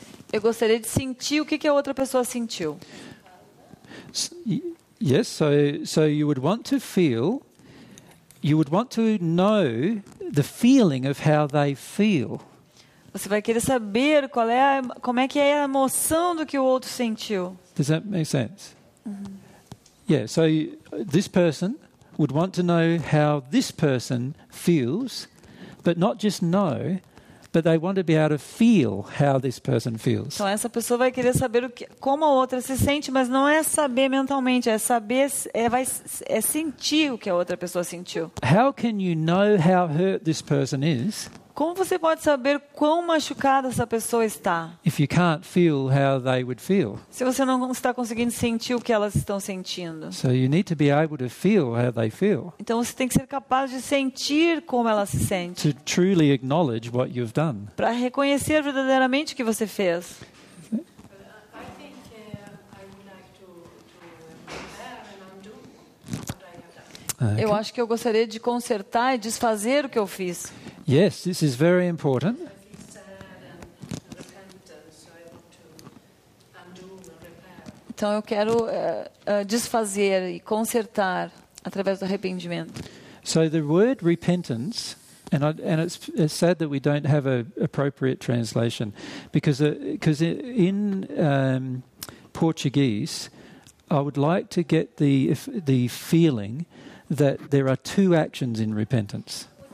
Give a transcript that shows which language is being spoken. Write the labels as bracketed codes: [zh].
[pt] Eu gostaria de sentir o que a outra pessoa sentiu. [en] Yes, so you would want to feel, you would want to know the feeling of how they feel. [pt] Você vai querer saber qual é como é que é a emoção do que o outro sentiu. [en] Does that make sense? Yeah, so this person would want to know how this person feels but not just know, but they want to be able to feel how this person feels. [pt] Então essa pessoa vai querer saber como a outra se sente, mas não é saber mentalmente, é saber é sentir o que a outra pessoa sentiu. [en] How can you know how hurt this person is? [pt] Como você pode saber quão machucada essa pessoa está? [en] If you can't feel how they would feel. [pt] Se você não está conseguindo sentir o que elas estão sentindo. [en] So you need to be able to feel how they feel. [pt] Então você tem que ser capaz de sentir como ela se sente. [en] To truly acknowledge what you've done. [pt] Para reconhecer verdadeiramente o que você fez. Eu acho que eu gostaria de consertar e desfazer o que eu fiz. [en] Yes, this is very important. [pt] Então eu quero desfazer e consertar através do arrependimento. [en] So the word repentance, and it's sad that we don't have a appropriate translation, because in Portuguese, I would like to get the feeling that there are two actions in repentance.